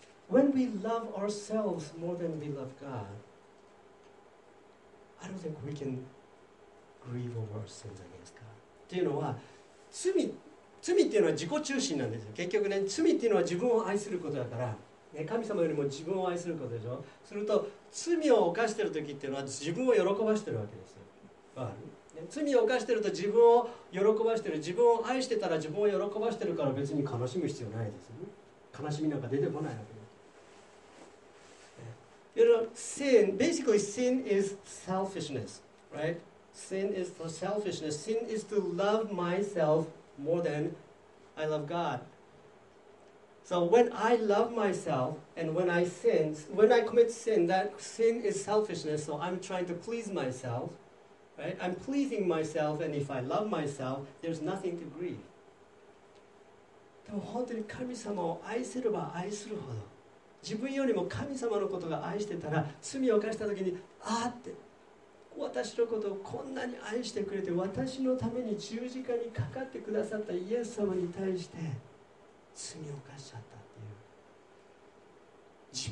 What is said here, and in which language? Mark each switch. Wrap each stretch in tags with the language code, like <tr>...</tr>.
<en>When we love ourselves more than we love God, I don't think we can grieve over our sins against God.</en> <ja>っていうのは、罪っていうのは自己中心なんですよ。結局ね、罪っていうのは自分を愛することだから、ね、神様よりも自分を愛することでしょ。すると罪を犯してる時っていうのは自分を喜ばしてるわけですよ。わかる？罪を犯していると自分を喜ばしている、自分を愛してたら自分を喜ばしているから別に悲しむ必要ないですね。悲しみなんか出てこないわけです。</ja> <en>You know, sin, basically sin is selfishness, right? Sin is the selfishness. Sin is to love myself more than I love God. So when I love myself and when I sin, when I commit sin, that sin is selfishness, so I'm trying to please myself. Right? I'm pleasing myself, and if I love myself, there's nothing to grieve.</en> <ja>でも本当に神様を愛せれば愛するほど、自分よりも神様のことが愛してたら、罪を犯したときに、ああって、私のことをこんなに愛してくれて、私のために十字架にかかってくださったイエス様に対して、罪を犯しちゃったっていう。</ja>